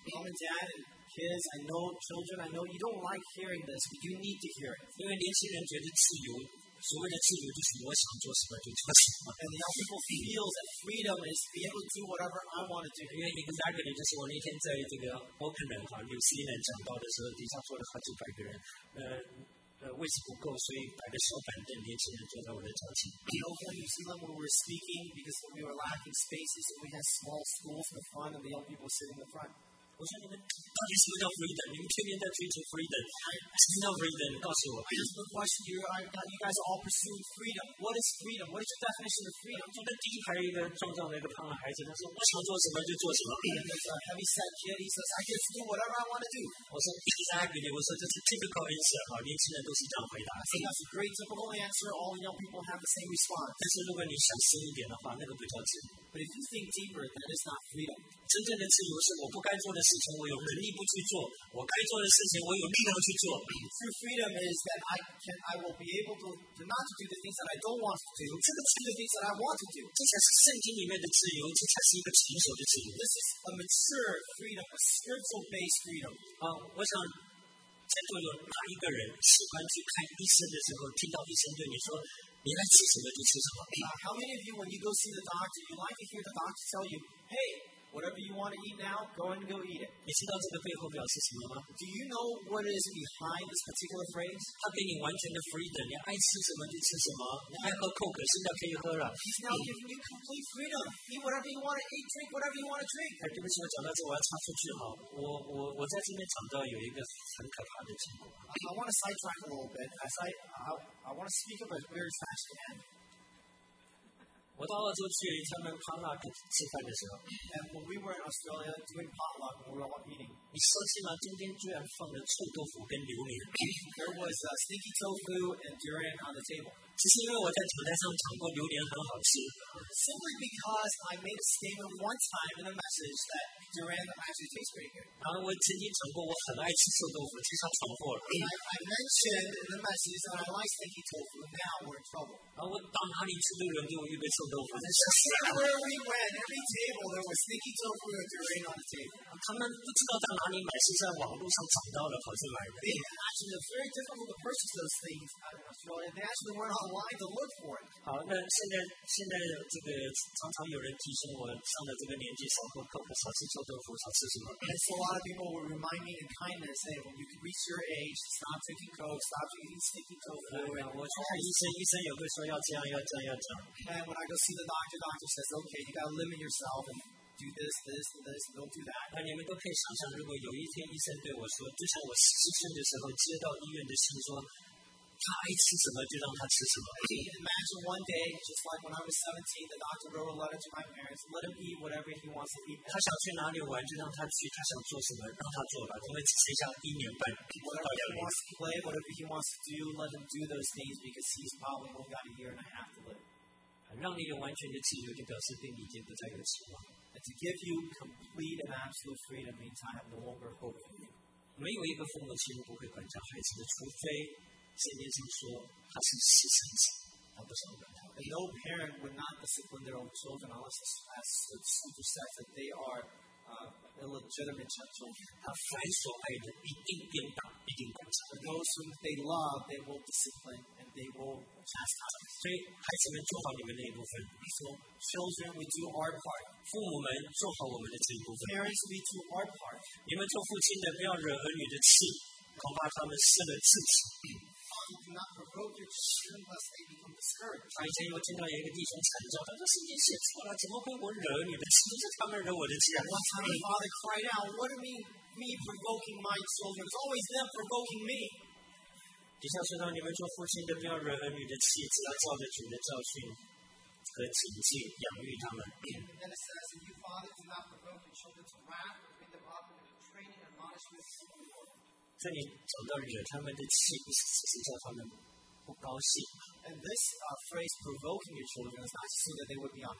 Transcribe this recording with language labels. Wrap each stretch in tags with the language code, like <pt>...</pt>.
<en>Mom and Dad, kids, I know, children, I know you don't like hearing this, but you need to hear it.</en> <zh>因为年轻人觉得自由，所谓的自由就是我想做什么就做什么。</zh> <en>And young people feel that freedom is to be able to do whatever I want to do.</en> <zh>因为一个大概率就是我那天在这个Auckland哈，纽西兰讲到的时候，底下坐了好几百个人。位置不够，所以摆个小板凳，年轻人坐在我的脚前。</zh> <en>In Oakland, we were speaking because we were lacking spaces, and we had small schools in the front, and the young people sitting in the front.</en> <zh>我说你们到底什么叫 freedom？ 你们天天在追求 freedom，什么叫 freedom？ 告诉我。</zh> <en>I just want to ask you, you guys are all pursuing freedom. What is freedom? What is your definition of freedom？</en> <zh>就那第一排一个壮壮的一个胖的孩子，他说我想做什么就做什么。</zh> <en>A heavy-set kid, he says, I just do whatever I want to do.</en> <zh>我说</zh> <en>exactly，</en> <zh>我说这是</zh> <en>typical answer，</en> <zh>年轻人都是这样回答。</zh> <en>So that's a great typical answer. All young people have the same response.</en> <zh>但是如果你想深一点的话，那个不叫自由。</zh> <en>But if you think deeper, that is not freedom.</en> <zh>真正的自由是我不该做的事情，我有能力不去做；我该做的事情，我有力量去做。</zh> <en>True freedom is that I will be able to not to do the things that I don't want to do, to do the things that I want to do.</en> <zh>这才是圣经里面的自由，这才是一个成熟的自由。</zh> <en>This is a mature freedom, a spiritual based freedom.</en> <zh>我想，在座有哪一个人喜欢去看医生的时候，听到医生对你说？你来吃什么就吃什么。</zh> <en>How many of you, when you go see the doctor, you like to hear the doctor tell you, "Hey, whatever you want to eat now, go and go eat it."</en> <zh>你知道这个背后表示什么吗</zh> <en>？Do you know what is behind this particular phrase?</en> <zh>他给你完全的 freedom， 你爱吃什么就吃什么，你爱喝 Coke 现在可以喝了。</zh> <en>He's now giving you complete freedom. Eat whatever you want to eat, drink whatever you want to drink.</en> <zh>对不起，我讲到这我要插出去哈。我在这边讲到有一个很可怕的情况。</zh> <en>I want to sidetrack a little bit. I want to speak of a very fast man.</en> <zh>我到澳洲去参加 potluck 吃饭的时候</zh> <en>，and when we were in Australia doing potluck, we were all eating.</en> <zh>你相信吗？中间居然放了臭豆腐跟榴莲。</zh> <en>There was a stinky tofu and durian on the table.</en> <zh>只是因为我在酒台上尝过榴莲很好吃。</zh> <en>Simply because I made a statement one time in a message that durian actually tastes very good.</en> <zh>然后我曾经尝过我很爱吃臭豆腐，其实闯祸了。</zh> <en>I mentioned in the message that I like stinky tofu. Now we're in trouble.</en> <zh>然后我到哪里吃榴莲都预备臭豆腐。</zh> <en>Everywhere we went, every table there was stinky tofu and durian on the table.</en> <zh>他们不知道在哪里买，是在网络上找到了，跑进来的。</zh> <en>They actually were very difficult to purchase those things. They actually weren't online to look for it.</en> <zh>好，那现在。这个常常有人提醒我，上了这个年纪，少喝可乐，少吃臭豆腐，少吃什么</zh> <en>？And so a lot of people will remind me in kindness, hey, when you reach your age, stop drinking coke, stop eating stinky tofu.</en> <zh>我去看医生，医生也会说要这样，要这样，要这样。</zh> <en>And when I go see the doctor, doctor says, okay, you gotta limit yourself and do this, this, this, don't do that.</en> <zh>那你们都可以想象，如果有一天医生对我说，就像我十岁的时候接到医院的信说。他爱吃什么就让他吃什么。</zh> <en>Imagine one day, just like when I was 17, the doctor wrote a letter to my parents, let him eat whatever he wants to eat.</en> <zh>他想去哪里玩就让他去，他想做什么让他做吧，因为只剩下一年半。</zh> <en>Whatever he wants to play, whatever he wants to do, let him do those things because he's probably only got a year and a half to live.</en> <zh>让你有完全的自由，就表示对你已经不再有希望。</zh> <en>And to give you complete and absolute freedom means I have no longer hope for you.</en> <zh>没有一个父母亲不会管教孩子的，除非。圣经上说他是牺牲者，他不想管他。</zh> <en>No parent would not discipline their own children unless as the scripture says that they are illegitimate children.</en> <zh>他凡所爱的一定鞭打，一定管教。</zh> <en>Those whom they love, they will discipline and they will chastise.</en> <zh>所以孩子们做好你们那一部分。</zh> <en>So children, we do our part.</en> <zh>父母们做好我们的这一部分。</zh> <en>Parents, we do our part.</en> <zh>你们做父亲的不要惹儿女的气，恐怕他们失了自信。</zh> <en>Do not provoke your children lest they become discouraged.</en> <zh>以前我听到有一个弟兄惨叫，他说圣经写错了，怎么会我惹你的气？不是他们惹我的气。</zh> <en>One time, my father cried out, "What do you mean, me provoking my children? It's always them provoking me."</en> <zh>底下说到你们做父亲的不要惹儿女的气，只要照着主的教训和警戒养育他们。</zh> <en>And it says, "You fathers, do not provoke your children to wrath, but bring them up in training and admonishment."</en> <zh>这里讲到惹他们的气，不是只是叫他们不高兴。</zh> <en>And this phrase provoking your children is not so that they would be on.</en>